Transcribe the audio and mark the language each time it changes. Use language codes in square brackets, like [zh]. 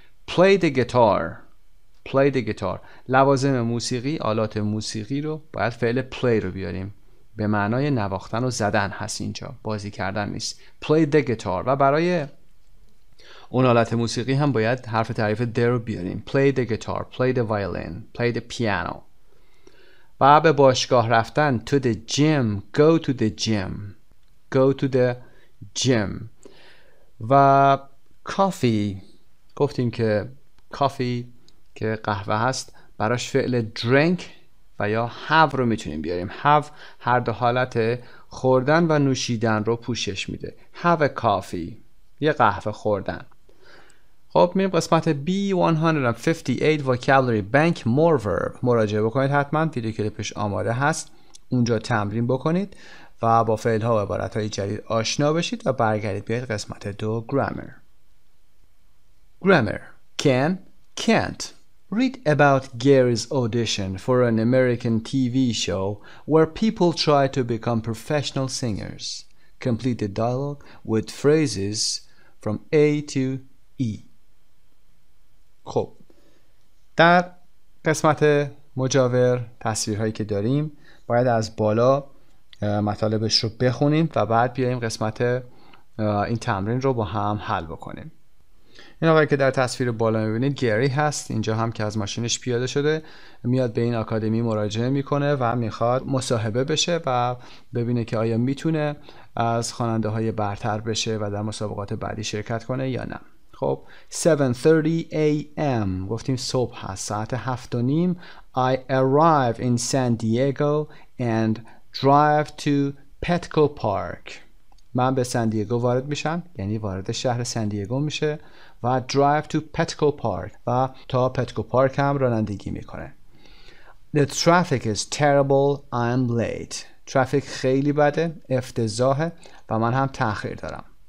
[en] Play the guitar. [fa] لوازم موسیقی، آلات موسیقی رو باید فعل play رو بیاریم. به معنای نواختن و زدن هست اینجا، بازی کردن نیست. [en] Play the guitar. [fa] و برای اون آلات موسیقی هم باید حرف تعریف the رو بیاریم. [en] Play the guitar, play the violin, play the piano. [fa] و به باشگاه رفتن، [en] to the gym, go to the gym. [fa] و کافی، گفتیم که کافی که قهوه هست، براش فعل drink و یا have رو میتونیم بیاریم. have هر دو حالت خوردن و نوشیدن رو پوشش میده. [en] have a coffee، [fa] یه قهوه خوردن. خب میریم قسمت [en] B158 vocabulary bank more verb. [fa] مراجعه بکنید حتما، ویدیو کلیپش آماده هست، اونجا تمرین بکنید و با فعل ها و عبارت های جدید آشنا بشید و برگردید بیاید قسمت دو گرامر. گرامر. [en] can can't. read about Gary's audition for an American TV show where people try to become professional singers. complete the dialogue with phrases from A to E. [fa] خب در قسمت مجاور تصویرهایی که داریم باید از بالا مطالبش رو بخونیم و بعد بیاییم قسمت این تمرین رو با هم حل بکنیم. این آقایی که در تصویر بالا میبینید گری هست، اینجا هم که از ماشینش پیاده شده میاد به این آکادمی مراجعه میکنه و میخواد مصاحبه بشه و ببینه که آیا میتونه از خواننده های برتر بشه و در مسابقات بعدی شرکت کنه یا نه. خب 7:30 a.m. گفتیم صبح هست، ساعت 7:30. [en] I arrive in San Diego and drive to Petco Park. [fa] من به سان دیگو وارد میشم، یعنی وارد شهر سان دیگو میشه، و [en] drive to Petco Park [fa] و تا Petco Park هم رانندگی میکنه. [en] The traffic is terrible. I'm late. [fa] traffic خیلی بده، افتضاحه و من هم تاخیر دارم.